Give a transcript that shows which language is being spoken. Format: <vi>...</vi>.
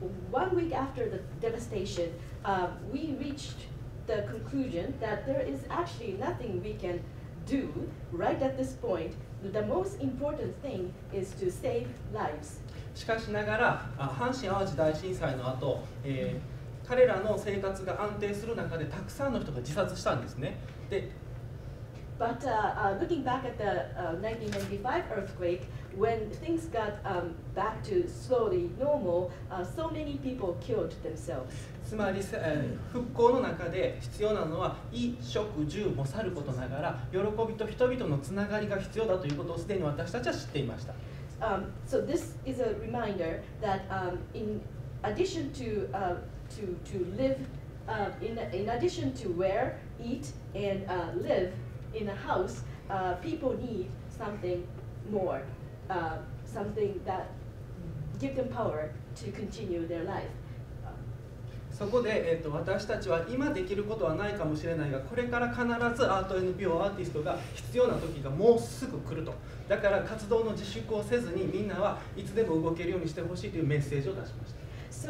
<en>One week after the devastation, we reached the conclusion that there is actually nothing we can. Do right at this point, the most important thing is to save lives.</en> <ja>しかしながら、阪神淡路大震災の後、彼らの生活が安定する中でたくさんの人が自殺したんですね。で、</ja> <en>But looking back at the 1995 earthquake, when things got back to slowly normal, so many people killed themselves.</en> <ja>つまり復興の中で必要なのは衣食住もさることながら喜びと人々のつながりが必要だということをすでに私たちは知っていました。</ja> <en>So this is a reminder that in addition to to live in addition to wear, eat and live in a house, people need something more, something that give them power to continue their life.</en> <ja>そこで、私たちは今できることはないかもしれないが、これから必ずアート NPO アーティストが必要な時がもうすぐ来ると。だから活動の自粛をせずに、みんなはいつでも動けるようにしてほしいというメッセージを出しました。</ja>